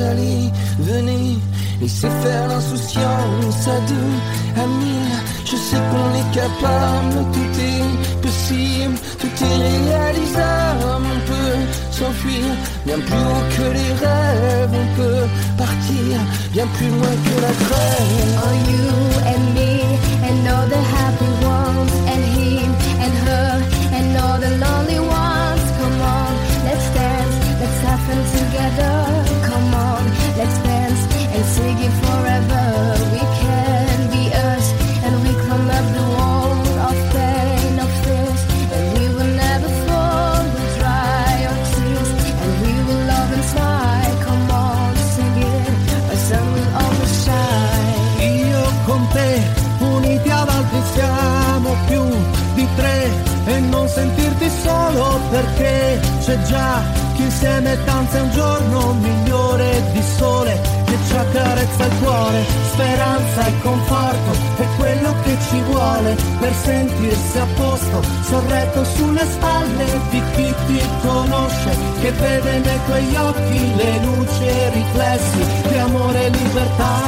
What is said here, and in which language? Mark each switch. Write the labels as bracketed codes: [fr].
[fr] Allez, venez, laissez faire l'insouciance à deux, à mille. Je sais qu'on est qu'à capable, tout est possible, tout est réalisable. On peut s'enfuir bien plus haut que les rêves, on peut partir bien plus loin que la grève. [en] Are you and me and all the happy ones, and him and her and all the lonely ones? Come on, let's dance, let's have fun together. Come on, let's dance and sing it forever. We can be us and we climb up the wall of pain, of fears, and we will never fall. We'll dry our tears and we will love and smile. Come on, sing it, the sun will always shine. [it] Io con te, uniti ad altri siamo più di tre, e non sentirti solo perché c'è già chi insieme danza un giorno migliore di sole che ci accarezza il cuore. Speranza e conforto è quello che ci vuole per sentirsi a posto, sorretto sulle spalle di chi ti conosce, che vede nei tuoi occhi le luci e riflessi di amore e libertà.